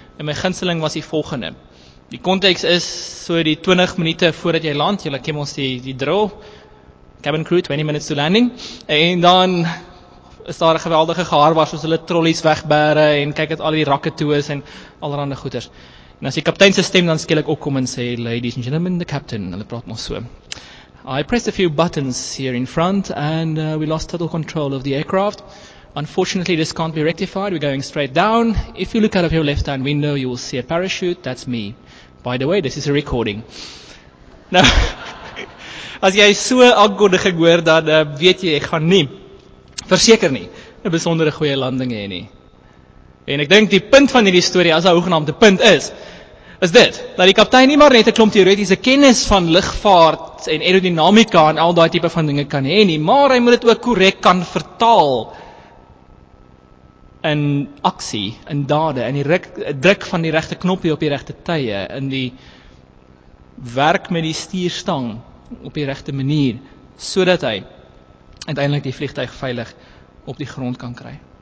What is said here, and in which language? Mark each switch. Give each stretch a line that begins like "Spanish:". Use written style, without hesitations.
Afrikaans: En my gunsteling was die volgende. Die konteks is so die 20 minute voordat jy land, jy ken ons die drill,
English: cabin crew, 20 minutes to landing,
Afrikaans: en dan is daar 'n geweldige gehaar waar soos hulle trollies wegbere en kyk het al die rakke toe is en allerhande goeders. En as die kaptein se stem dan skielik opkom en sê,
English: ladies and gentlemen, the captain,
Afrikaans: hulle praat maar so.
English: I pressed a few buttons here in front and we lost total control of the aircraft. Unfortunately, this can't be rectified. We're going straight down. If you look out of your left-hand window, you will see a parachute. That's me. By the way, this is a recording.
Afrikaans: Nou, as jy so aankondiging hoor, dan weet jy, jy gaan nie, verseker nie, 'n besondere goeie landing hê nie. En ek dink die punt van hierdie storie, as hy hoegenaamd die punt is, is dit, dat die kaptein nie maar net 'n klomp teoretiese kennis van lugvaart en aerodynamica en al die type van dinge kan hê nie, maar hy moet dit ook korrek kan vertaal in aksie, in dade, in die druk van die regte knoppie op die regte tye, in die werk met die stuurstang op die regte manier, sodat hy uiteindelik die vliegtuig veilig op die grond kan kry.